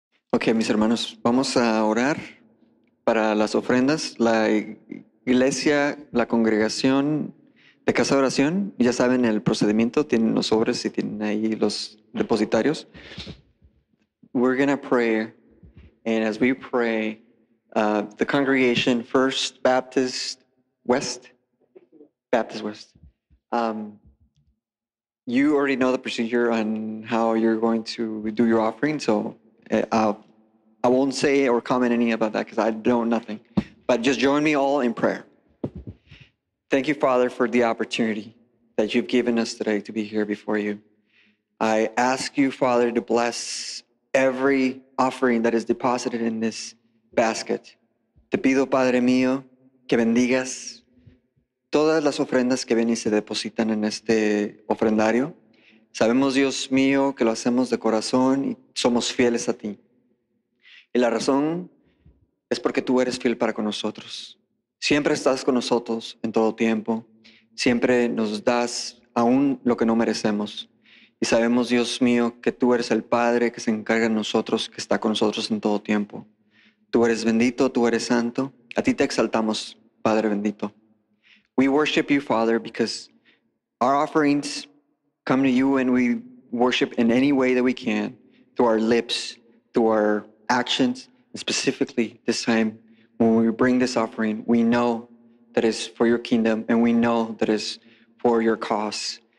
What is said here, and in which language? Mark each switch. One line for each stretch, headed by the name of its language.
Spanish: Okay, mis hermanos, vamos a orar para las ofrendas. La iglesia, la congregación de Casa de Oración, ya saben el procedimiento, tienen los sobres y tienen ahí los depositarios.
English: We're going to pray, and as we pray, the congregation, First Baptist West, you already know the procedure on how you're going to do your offering, so I won't say or comment any about that because I know nothing. But just join me all in prayer. Thank you, Father, for the opportunity that you've given us today to be here before you. I ask you, Father, to bless every offering that is deposited in this basket.
Spanish: Te pido, Padre mío, que bendigas todas las ofrendas que vienen y se depositan en este ofrendario. Sabemos, Dios mío, que lo hacemos de corazón y somos fieles a ti. Y la razón es porque tú eres fiel para con nosotros. Siempre estás con nosotros en todo tiempo. Siempre nos das aún lo que no merecemos. Y sabemos, Dios mío, que tú eres el Padre que se encarga de nosotros, que está con nosotros en todo tiempo. Tú eres bendito, tú eres santo. A ti te exaltamos, Padre bendito.
English: We worship you, Father, because our offerings come to you and we worship in any way that we can, through our lips, through our actions, and specifically this time when we bring this offering, we know that it's for your kingdom and we know that it's for your cause.